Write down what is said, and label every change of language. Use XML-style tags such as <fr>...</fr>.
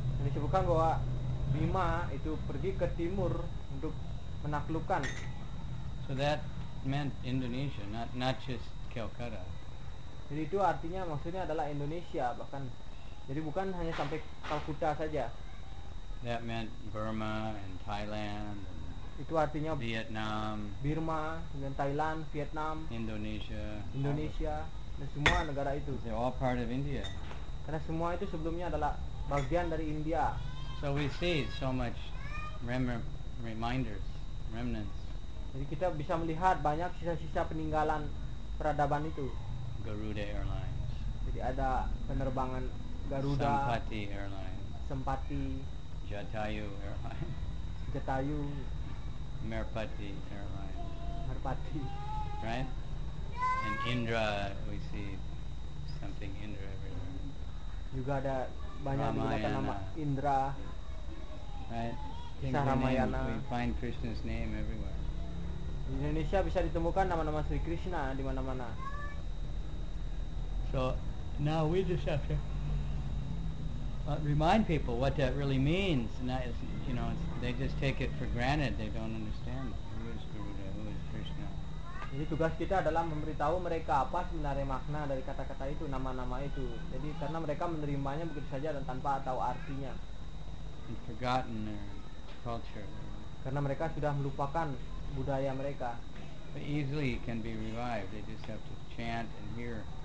<id>Disebutkan bahwa Bhima itu pergi ke timur untuk menaklukkan.</id> <en>So that meant Indonesia, not just Calcutta.</en> <id>Jadi itu artinya maksudnya adalah Indonesia bahkan. Jadi bukan hanya sampai Calcutta saja.</id> <en>That meant Burma and Thailand.</en> <id>Itu artinya Vietnam, Burma, dengan Thailand, Vietnam, Indonesia, dan semua negara itu.</id> <en>They're all part of India.</en> <id>Karena semua itu sebelumnya adalah bagian dari India.</id> <en>So we see so much reminders, remnants.</en> <id>Jadi kita bisa melihat banyak sisa-sisa peninggalan peradaban itu.</id> <en>Garuda Airlines.</en> <id>Jadi ada penerbangan Garuda.</id> <en>Sempati Airlines.</en> <id>Sempati.</id> <en>Jatayu Airlines.</en> <id>Jatayu.</id> <en>Merpati Airlines.</en> <id>Merpati.</id> <en>Right? And Indra, we see something Indra everywhere.</en> <id>Juga ada banyak Ramayana. Nama Indra.</id> <en>Right?</en> <id>Kisah Ramayana.</id> <en>We find Krishna's name everywhere.</en> <id>Di Indonesia bisa ditemukan nama-nama Sri Krishna di mana-mana.</id> <en>So now we just have to remind people what that really means. And that is, you know, they just take it for granted. They don't understand who is Garuda, who is Krishna.</en> <id>Jadi tugas kita adalah memberitahu mereka apa sebenarnya makna dari kata-kata itu, nama-nama itu. Jadi karena mereka menerimanya begitu saja dan tanpa tahu artinya.</id> <en>And forgotten their culture.</en> <id>Karena mereka sudah melupakan budaya mereka.</id> <en>But easily can be revived. They just have to chant and hear.</en>